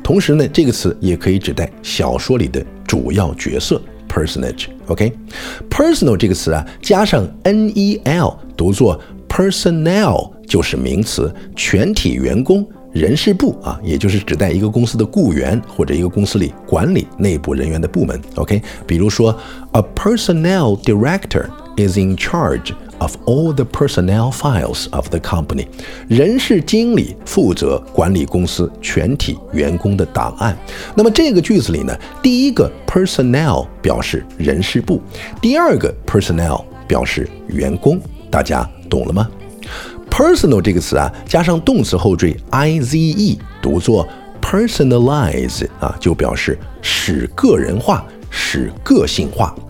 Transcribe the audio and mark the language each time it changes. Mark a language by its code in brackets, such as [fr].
[zh] 同时呢，这个词也可以指代小说里的主要角色personage。 OK， personal 这个词啊加上 nel 读作 personnel， 就是名词全体员工、人事部啊，也就是指代一个公司的雇员或者一个公司里管理内部人员的部门。 [en] OK，比如说 a personnel director is in charge of all the personnel files of the company，人事经理负责管理公司全体员工的档案。 [zh] 那么这个句子里呢，第一个 personnel 表示人事部，第二个 personnel 表示员工，大家懂了吗？ personal 这个词啊加上动词后缀 ize 读作 personalize 啊，就表示使个人化、使个性化。